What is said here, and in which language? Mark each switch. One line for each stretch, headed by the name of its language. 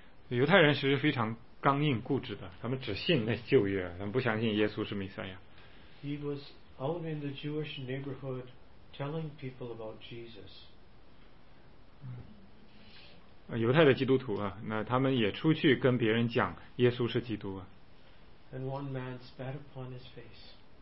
Chinese: 犹太人其实非常。刚硬固执的，他们只信那旧约，他们不相信耶稣是弥赛亚。
English: He was out in the Jewish neighborhood telling people about Jesus.
Chinese: 犹太的基督徒啊，那他们也出去跟别人讲耶稣是基督啊。
English: And one man spat upon his face.